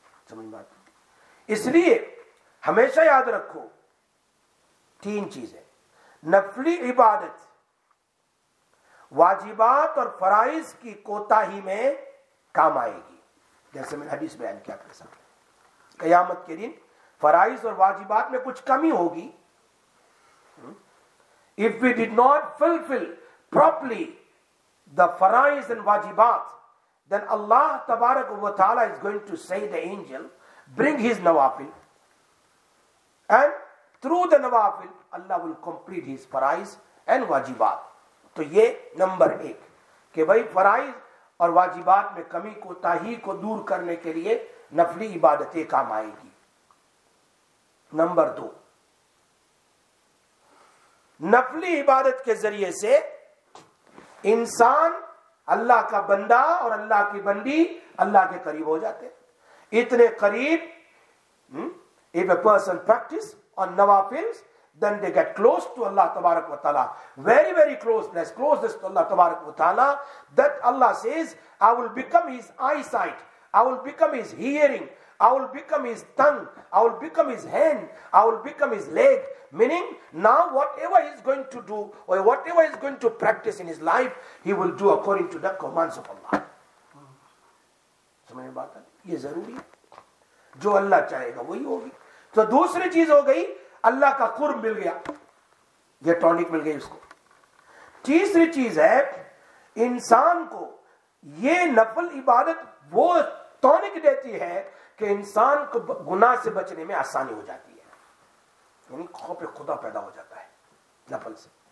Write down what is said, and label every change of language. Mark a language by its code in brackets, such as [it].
[ur] سمجھ بات؟ اس لیے ہمیشہ یاد رکھو 3 چیزیں, نفلی عبادت, واجبات اور فرائض کی کوتاہی میں کام آئے گی. جیسے میں حدیث بیان کیا کر سکتا ہوں, قیامت کے دن فرائض اور واجبات میں کچھ کمی ہوگی. [en] If we did not fulfill properly the فرائض and واجبات, then Allah تبارک و تعالی is going to say the angel, bring his nawafil, and through the nawafil Allah will complete his فرائض and واجبات. [ur] تو یہ نمبر ایک کہ بھائی فرائض اور واجبات میں کمی کو تاہی کو دور کرنے کے لیے نفلی عبادتیں کام آئے گی. نمبر دو, نفلی عبادت کے ذریعے سے انسان اللہ کا بندہ اور اللہ کی بندی اللہ کے قریب ہو جاتے, اتنے قریب. [en] If a person practice on nawafils, then they get close to Allah تبارک و تعالی, very very closeness, closeness to Allah تبارک و تعالی, that Allah says I will become his eyesight, I will become his hearing, I will become his tongue, I will become his hand, I will become his leg. Meaning, now whatever he is going to do or whatever he is going to practice in his life, he will do according to the commands of Allah. [ur] سمجھے بات ہے, یہ ضروری ہے, جو اللہ چاہے گا وہی ہوگی. تو دوسری چیز ہو گئی, اللہ کا قرب مل گیا, یہ ٹونک مل گئی اس کو. تیسری چیز ہے, انسان کو یہ نفل عبادت وہ ٹونک دیتی ہے کہ انسان کو گناہ سے بچنے میں آسانی ہو جاتی ہے, یعنی خوف خدا پیدا ہو جاتا ہے نفل سے.